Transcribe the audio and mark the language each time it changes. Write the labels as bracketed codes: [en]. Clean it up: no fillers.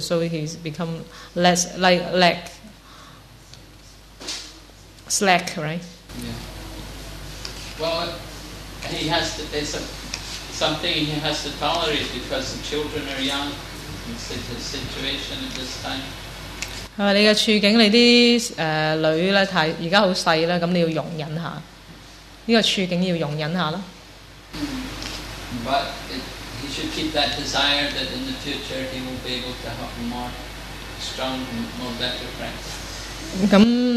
[en] So he's become less like lack slack, right? Yeah. Well, he has something he has to tolerate because the children are young. It's a situation at this time. [zh] 你的处境，你的女儿现在很小，那你要容忍一下，这个处境要容忍一下。 [en] But he should keep that desire that in the future he will be able to have more strong and more better friends.